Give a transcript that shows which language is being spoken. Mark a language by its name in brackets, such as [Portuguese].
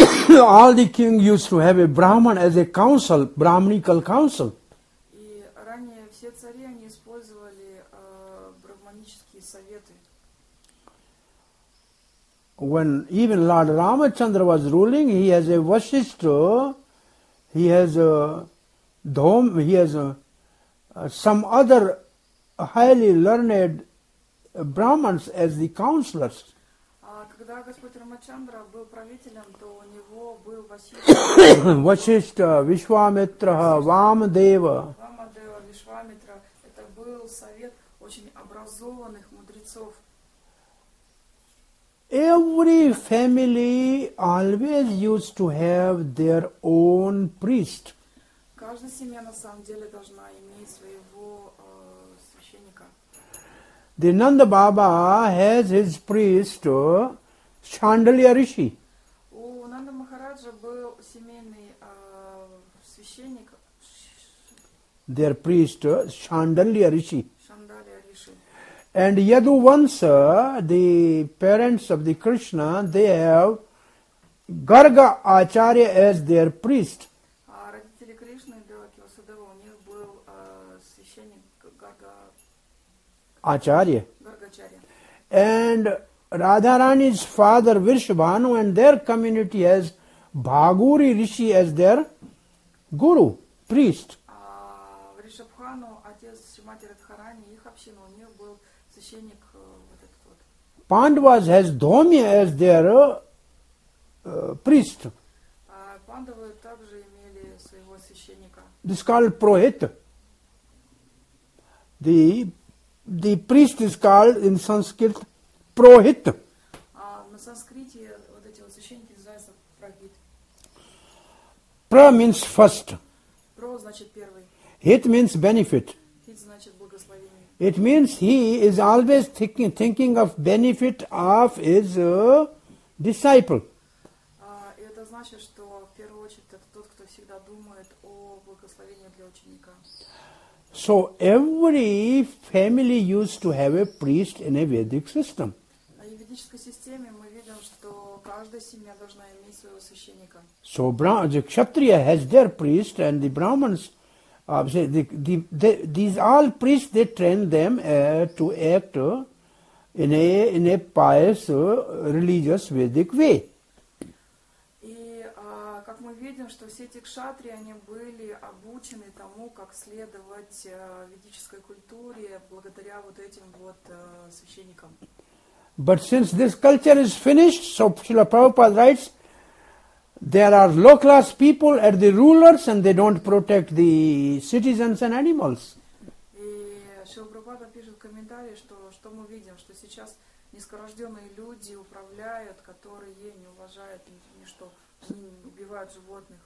[English] All the king used to have a brahman as a council, brahminical council. [Russian] И ранее все цари они использовали брахманические советы. When even Lord Ramachandra was ruling, he has a vasishtha, he has a dhom, he has a some other highly learned brahmans as the counselors. Когда Господь Рамачандра был правителем, то у него был Васишта, Вишвамитра, Вамадева. Вамадева, Вишвамитра, это был совет очень образованных мудрецов. [English] Every family always used to have their own priest. [Russian] Каждая семья на самом деле должна иметь своего священника. [English] The Nanda Baba has his priest. Chandaliya Rishi. [Russian] У Нанда Махараджа был семейный священник. [English] Their priest Chandaliya Rishi. Chandaliya Rishi. And Yadu Vansa, the parents of the Krishna, they have Garga Acharya as their priest. [Russian] Родители Кришны Деваки Васудева, у них был священник Гарга Ачарья. Гарга Ачарья. [English] And Radharani's father Vrishabhanu and their community has Bhaguri Rishi as their guru, priest. [Russian] Vrishabhanu, отец Шримати Радхарани, их община, у них был священник вот этот вот. [English] Pandavas has Dhomi as their priest. [Russian] Pandavas также имели своего священника. [English] This is called Prohit. The priest is called in Sanskrit Prohit. [Russian] На санскрите вот эти вот священники называются Прохит. [English] Pra means first. [Russian] Pro значит первый. [English] Hit means benefit. [Russian] Hit значит благословение. [English] It means he is always thinking of benefit of his disciple. [Russian] Это значит, что в первую очередь это тот, кто всегда думает о благословении для ученика. [English] So every family used to have a priest in a Vedic system. [Russian] В ведической системе мы видим, что каждая семья должна иметь своего священника. [English] So the kshatriya has their priest and the brahmans, these all priests they train them to act in a pious religious Vedic way. [Russian] И как мы видим, что все эти кшатрии они были обучены тому, как следовать ведической культуре благодаря вот этим вот священникам. [English] But since this culture is finished, so Srila Prabhupada writes, there are low-class people at the rulers and they don't protect the citizens and animals. [Russian] И Шрила Прабхупада пишет в комментарии, что мы видим, что сейчас низкорожденные люди управляют, которые не уважают ничто, убивают животных.